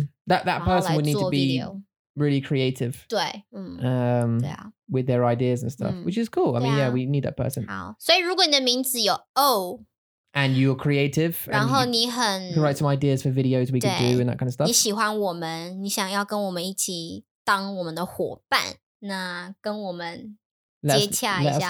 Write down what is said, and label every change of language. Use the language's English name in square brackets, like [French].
[English] That person would need to be really creative. [Chinese] 对。对啊。 [English] With their ideas and stuff, which is cool. I mean, yeah, we need that person. [Chinese] 好。所以如果你的名字有 O, [English] and you're creative, [Chinese] 然后你很 [English] you can write some ideas for videos we could do and that kind of stuff. [Chinese] 你喜欢我们，你想要跟我们一起当我们的伙伴，那跟我们接洽一下。